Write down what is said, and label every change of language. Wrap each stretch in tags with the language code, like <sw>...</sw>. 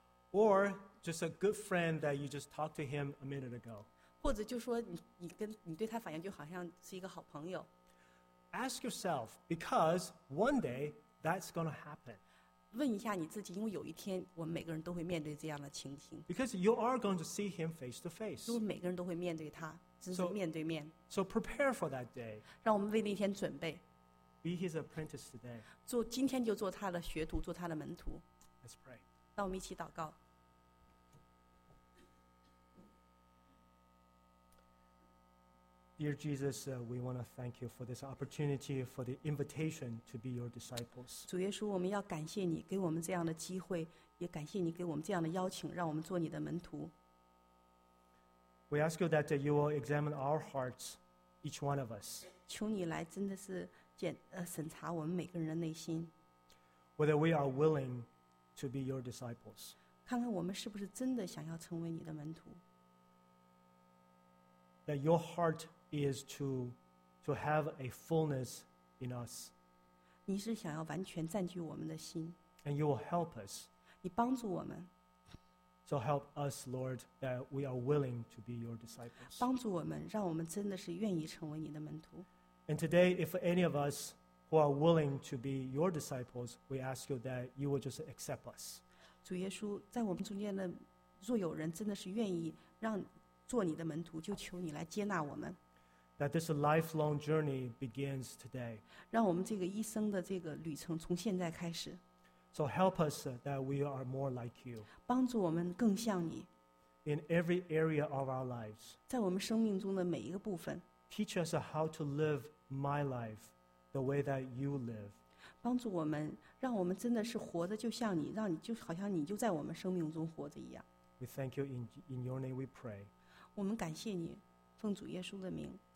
<en>？Or just a good friend that you just talked to him a minute ago?</en> <zh>或者就说你对他反应就好像是一个好朋友</zh> <en>？Ask yourself because one day that's going to happen.</en> <zh>问一下你自己，因为有一天我们每个人都会面对这样的情形。</zh> <en>Because you are going to see him face to face.</en> <zh>因为每个人都会面对他，真是面对面。</zh> <en>So prepare for that day.</en> <zh>让我们为那天准备。</zh> <en>Be his apprentice today.</en> <zh>做今天就做他的学徒，做他的门徒。</zh> <en>Let's pray.</en> <zh>让我们一起祷告。</zh> <en>Dear Jesus, we want to thank you for this opportunity, for the invitation to be your disciples.</en> <zh>主耶稣，我们要感谢你给我们这样的机会，也感谢你给我们这样的邀请，让我们做你的门徒。</zh> <en>We ask you that you will examine our hearts, each one of us.</en> <zh>求你来真的是审查我们每个人的内心。</zh> <en>Whether we are willing to be your disciples.</en> <zh>看看我们是不是真的想要成为你的门徒。</zh> <en>That your heart is to have a fullness in us.</en> <zh>你是想要完全占据我们的心。</zh> <en>And you will help us.</en> <zh>你帮助我们。</zh> <en>So help us, Lord, that we are willing to be your disciples.</en> <zh>帮助我们，让我们真的是愿意成为你的门徒。</zh> <en>And today, if any of us who are willing to be your disciples, we ask you that you will just accept us.</en> <zh>主耶稣，在我们中间的若有人真的是愿意让。做你的门徒，就求你来接纳我们。</zh> <en>That this lifelong journey begins today.</en> <zh>让我们这个一生的这个旅程从现在开始。</zh> <en>So help us that we are more like you.</en> <zh>帮助我们更像你。</zh> <en>In every area of our lives.</en> <zh>在我们生命中的每一个部分。</zh> <en>Teach us how to live my life the way that you live.</en> <zh>帮助我们，让我们真的是活着就像你，让你就好像你就在我们生命中活着一样。</zh> <en>We thank you in your name. We pray.</en> <zh>我们感谢你，奉主耶稣的名。</zh>